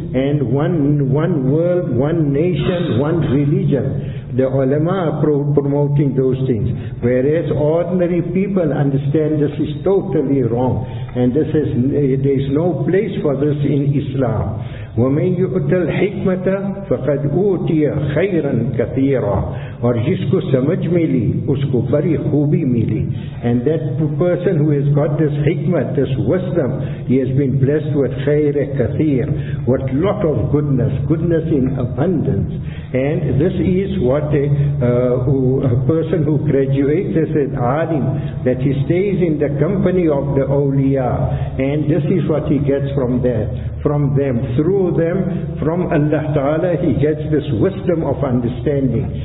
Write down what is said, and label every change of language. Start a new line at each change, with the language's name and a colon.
English: And one world, one nation, one religion. The ulama are promoting those things, whereas ordinary people understand this is totally wrong, and this is there is no place for this in Islam.
Arabic: وَمَنْ يُؤْتَ الْحِكْمَةَ فَقَدْ أُوْتِيَ خَيْرًا كَثِيرًا.
Urdu: اور جس کو سمجھ ملی اس کو بڑی خوبی ملی.
English: And that person who has got this hikmat, this wisdom, he has been blessed with
Arabic: خير كثير,
English: with lot of goodness, goodness in abundance. And this is what a person who graduates as an alim, that he stays in the company of the awliya, and this is what he gets from that, from them, through them, from Allah Ta'ala, he gets this wisdom of understanding.